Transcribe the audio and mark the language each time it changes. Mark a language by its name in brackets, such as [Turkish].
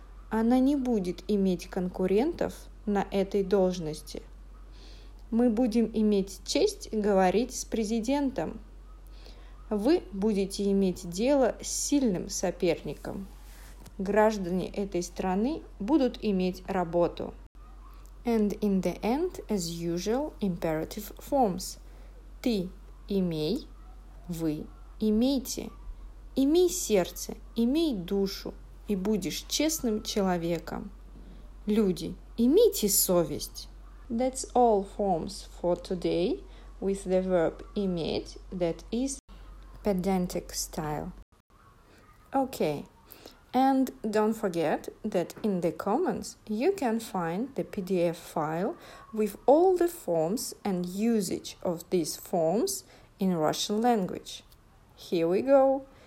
[Russian] Она не будет иметь конкурентов на этой должности. Мы будем иметь честь говорить с президентом. Вы будете иметь дело с сильным соперником. Граждане этой страны будут иметь работу. [English] And in the end, as usual, imperative forms. [Russian] Ты имей, вы имейте. Имей сердце, имей душу. И будешь честным человеком. Люди, имейте совесть. [English] That's all forms for today with the verb иметь, that is pedantic style. Okay, and don't forget that in the comments you can find the PDF file with all the forms and usage of these forms in Russian language. Here we go.